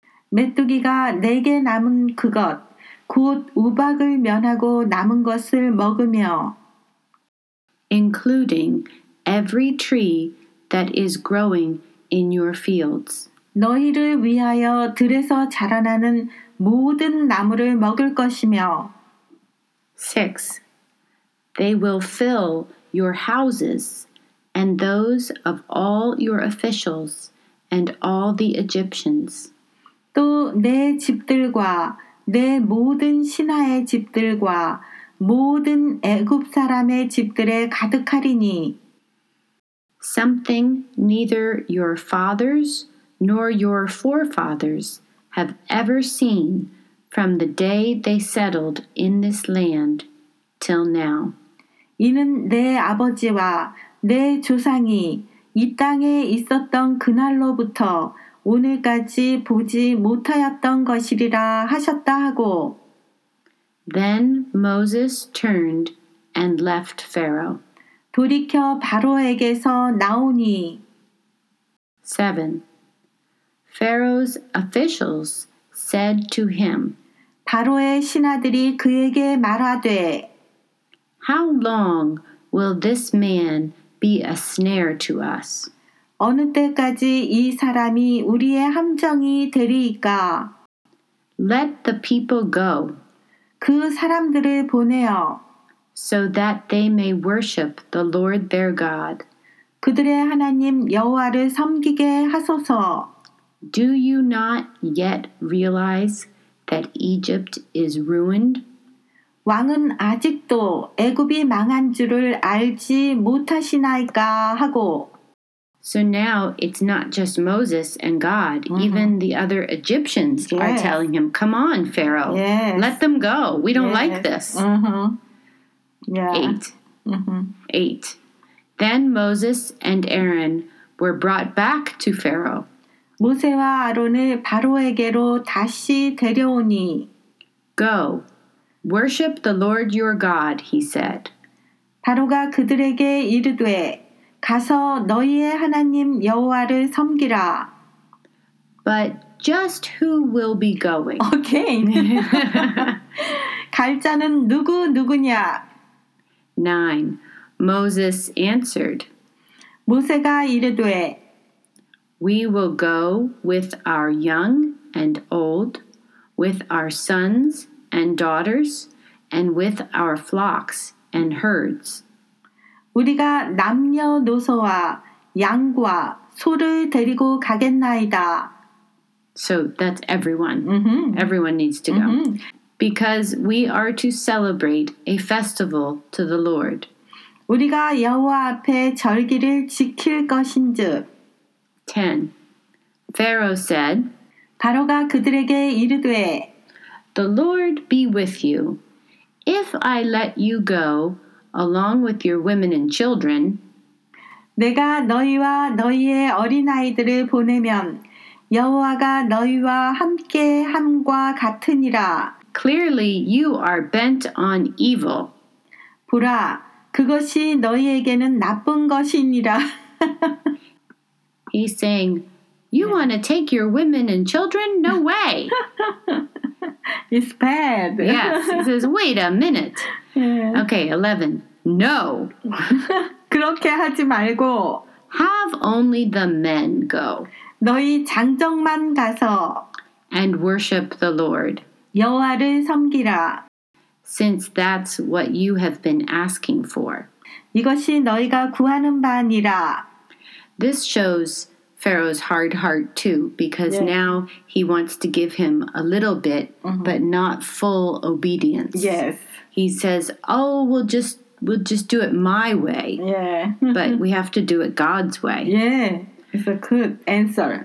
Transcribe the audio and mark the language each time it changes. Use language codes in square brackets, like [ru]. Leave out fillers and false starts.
[ko] 메뚜기가 내게 남은 그것, 곧 우박을 면하고 남은 것을 먹으며 [en] including every tree that is growing in your fields. [ko] 너희를 위하여 들에서 자라나는 모든 나무를 먹을 것이며 [en] 6. They will fill your houses and those of all your officials and all the Egyptians. [ko] 또 내 집들과 내 모든 신하의 집들과 모든 애굽 사람의 집들에 가득하리니 [en] Something neither your fathers nor your forefathers have ever seen from the day they settled in this land till now. [ko] 이는 내 아버지와 내 조상이 이 땅에 있었던 그날로부터 오늘까지 보지 못하였던 것이리라 하셨다 하고 [en] Then Moses turned and left Pharaoh. [ko] 돌이켜 바로에게서 나오니 [en] 7. Pharaoh's officials said to him [ko] 바로의 신하들이 그에게 말하되 [en] How long will this man be a snare to us? [ko] 어느 때까지 이 사람이 우리의 함정이 되리이까? [en] Let the people go. [ko] 그 사람들을 보내어. [en] So that they may worship the Lord their God. [ko] 그들의 하나님 여호와를 섬기게 하소서. [en] Do you not yet realize that Egypt is ruined? [ko] 왕은 아직도 애굽이 망한 줄을 알지 못하시나이까 하고. [en] So now it's not just Moses and God. Mm-hmm. Even the other Egyptians yes. are telling him, come on, Pharaoh. Yes. Let them go. We don't yes. like this. Mm-hmm. Yeah. Eight. Mm-hmm. Eight. Then Moses and Aaron were brought back to Pharaoh. [ko] 모세와 아론을 바로에게로 다시 데려오니. [en] Go. Worship the Lord your God, he said. [ko] 바로가 그들에게 이르되. 가서 너희의 하나님 여호와를 섬기라. [en] But just who will be going? Again. [ko] 갈 자는 누구냐? [en] 9. Moses answered. [ko] 모세가 이르되 [en] We will go with our young and old, with our sons and daughters, and with our flocks and herds. [ko] 우리가 남녀노소와 양과 소를 데리고 가겠나이다. [en] So that's everyone. Mm-hmm. Everyone needs to mm-hmm. go. Because we are to celebrate a festival to the Lord. [ko] 우리가 여호와 앞에 절기를 지킬 것인즉. [en] 10. Pharaoh said, [ko] 바로가 그들에게 이르되, [en] The Lord be with you. If I let you go, along with your women and children, [ko] 내가 너희와 너희의 어린아이들을 보내면 여호와가 너희와 함께 함과 같으니라. [en] Clearly, you are bent on evil. [ko] 보라, 그것이 너희에게는 나쁜 것이니라. [en] He's saying, you want to take your women and children? No way! It's bad. Yes, he says, wait a minute. Okay, 11. No. [ko] 그렇게 하지 말고 [en] Have only the men go. [ko] 너희 장정만 가서 [en] And worship the Lord. [ko] 여호와를 섬기라. [en] Since that's what you have been asking for. [ko] 이것이 너희가 구하는 바니라. [en] This shows Pharaoh's hard heart too, because yeah. now he wants to give him a little bit, mm-hmm. but not full obedience. Yes. He says, oh, we'll just do it my way. Yeah. but we have to do it God's way. Yeah. It's a good answer.